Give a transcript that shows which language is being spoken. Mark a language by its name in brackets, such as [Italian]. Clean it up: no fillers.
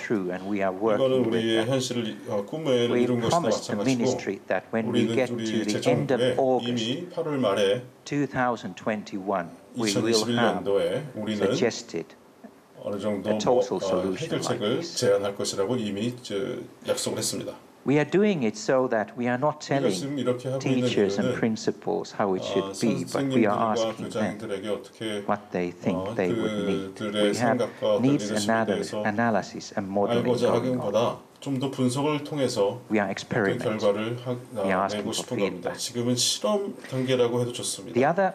[Korean] 이거는 우리의 현실을 꿈에 이룬 것과 마찬가지고 우리는 우리 재정부에 이미 8월 말에 2021년도에 우리는 어느 정도 해결책을 제안할 것이라고 이미 약속을 했습니다. [English] We are doing it so that we are not telling teachers and principals how it should be, but we are asking them what they think they would need. We have needs analysis and modeling going on. [Korean] 좀 더 분석을 통해서 어떤 결과를 내고 싶은 겁니다. 지금은 실험 단계라고 해도 좋습니다.